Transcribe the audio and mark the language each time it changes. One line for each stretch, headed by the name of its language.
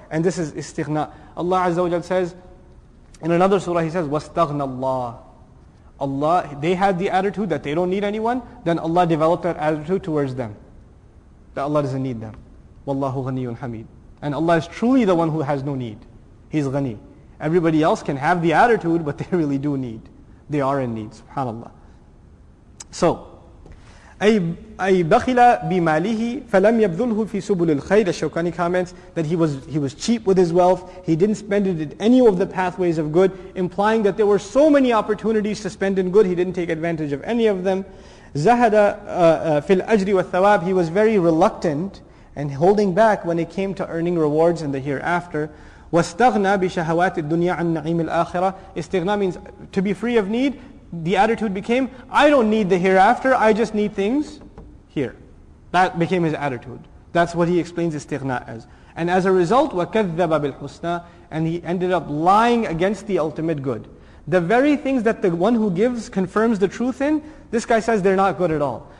English: And this is إِسْتِغْنَى. Allah Azza wa Jalla says, in another surah, He says, وَاسْتَغْنَى Allah. They had the attitude that they don't need anyone, then Allah developed that attitude towards them. That Allah doesn't need them.
Arabic: وَاللَّهُ غَنِيٌّ حَمِيدٌ.
English: And Allah is truly the one who has no need. He's ghani. Everybody else can have the attitude, but they really do need. They are in need, subhanAllah.
Arabic: So, أي بخل بماله فلم يبذله في سبل الخير.
English: Ash-Shawkani comments that he was cheap with his wealth. He didn't spend it in any of the pathways of good, implying that there were so many opportunities to spend in good. He didn't take advantage of any of them.
Arabic: زهد في الأجر والثواب.
English: He was very reluctant and holding back when it came to earning rewards in the hereafter.
Arabic: واستغنى بشهوات الدنيا عن نعيم الآخرة.
English: Istighna means to be free of need. The attitude became, I don't need the hereafter, I just need things here. That became his attitude. That's what he explains istighna as. And as a result,
Arabic: وَكَذَّبَ بِالْحُسْنَى.
English: And he ended up lying against the ultimate good. The very things that the one who gives confirms the truth in, this guy says they're not good at all.